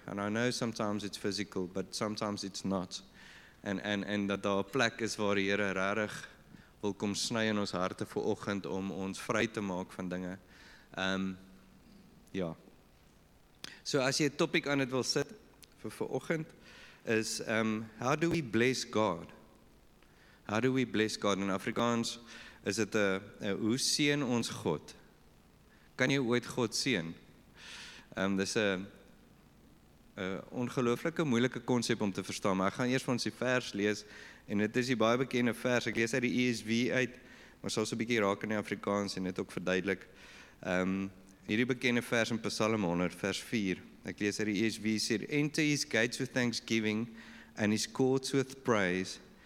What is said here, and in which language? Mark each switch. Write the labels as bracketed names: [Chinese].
[English] And I know sometimes it's physical, but sometimes it's not. [Afrikaans] And dat daar 'n plek is waar die Here regtig wil kom sny in ons harte vir oggend om ons vry te maak van dinge. Ja. So as jy 'n topic aan dit wil sit vir oggend is [English] how do we bless God? How do we bless God in Afrikaans? [Afrikaans] Is dit 'n hoe seën ons God? Kan jy ooit God seën? Dis 'n ongelooflike moeilike konsep om te verstaan, maar ek gaan eers vir ons die vers lees en dit is die baie bekende vers. Ek lees uit die ESV uit, maar sal so 'n bietjie raak in die Afrikaans en dit ook verduidelik. Hierdie bekende vers in Psalm 100 vers 4. Ek lees uit die ESV, sê, [English] "Enter his gates with thanksgiving and his courts with praise.